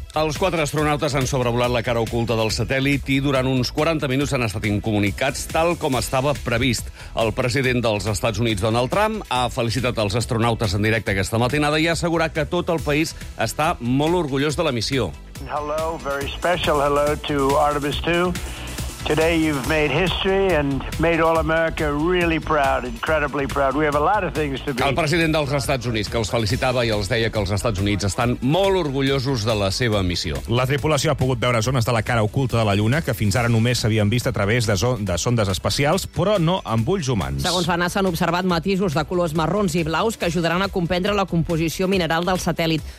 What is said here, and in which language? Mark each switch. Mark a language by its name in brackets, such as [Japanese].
[Catalan] Els 4 astronautes han sobrevolat la cara oculta del satèl·lit i durant uns 40 minuts han estat incomunicats tal com estava previst. El president dels Estats Units, Donald Trump, ha felicitat els astronautes en directe aquesta matinada i ha assegurat que tot el país està molt orgullós de la missió. [English] Hello, very special hello to Artemis 2. Today you've made history and made all America really proud, incredibly proud. We have a lot of things to be. [Catalan] El president dels Estats Units, que els felicitava i els deia que els Estats Units estan molt orgullosos de la seva missió. La tripulació ha pogut veure zones de la cara oculta de la Lluna que fins ara només s'havien vist a través de sondes especials, però no amb ulls humans. Segons la NASA s'han observat matisos de colors marrons i blaus que ajudaran a comprendre la composició mineral del satèl·lit.